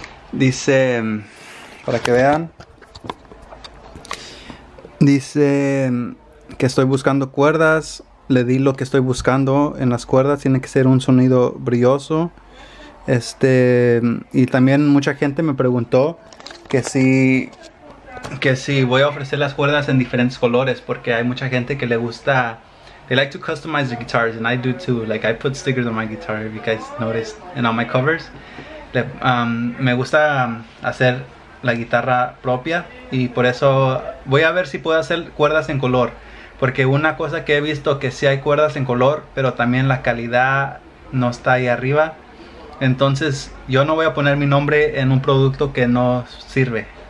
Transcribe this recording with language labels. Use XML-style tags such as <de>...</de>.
<es>Dice, para que vean, dice que estoy buscando cuerdas, le di lo que estoy buscando en las cuerdas, tiene que ser un sonido brilloso. Y también mucha gente me preguntó que si voy a ofrecer las cuerdas en diferentes colores, porque hay mucha gente que le gusta...</es> <en>They like to customize the guitars, and I do too. Like, I put stickers on my guitar, if you guys noticed, and on my covers.</en> <es>Me gusta hacer la guitarra propia, y por eso voy a ver si puedo hacer cuerdas en color. Porque una cosa que he visto, que sí hay cuerdas en color, pero también la calidad no está ahí arriba. Entonces, yo no voy a poner mi nombre en un producto que no sirve.</es>